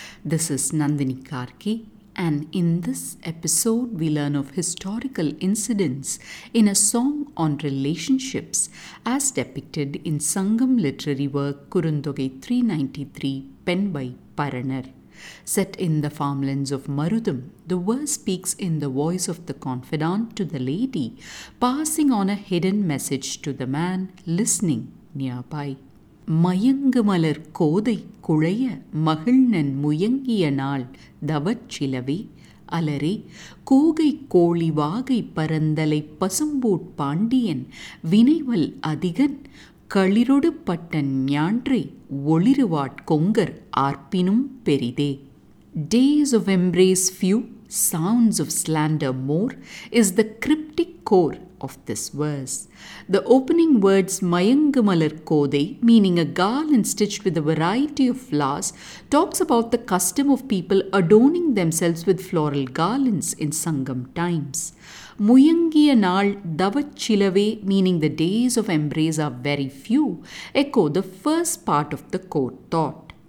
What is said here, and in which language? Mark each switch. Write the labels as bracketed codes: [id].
[en] This is Nandini Karki, and in this episode we learn of historical incidents in a song on relationships as depicted in Sangam literary work Kurundogai 393 penned by Paranar. Set in the farmlands of Marudam, the verse speaks in the voice of the confidant to the lady, passing on a hidden message to the man listening nearby. [ta] மயங்கு மலர் கோதை குழைய மகிழ்நன் முயங்கிய நாள் தவச்சிலவே அலரே கூகை கோழி வாகை பரந்தலை பசும்போட் Pandian வினைவல் அதிகன் களிரொடு button ஞான்றே ஒளிருவாட்கொங்கர் ஆர்ப்பினும் பெரிதே. [en] Days of embrace few sounds of slander more is the cryptic core of this verse. The opening words [ta] mayangamalar kodai, [en] meaning a garland stitched with a variety of flowers, talks about the custom of people adorning themselves with floral garlands in Sangam times. [ta] Muyangiya naal davachilave, [en] meaning the days of embrace are very few, echo the first part of the core thought.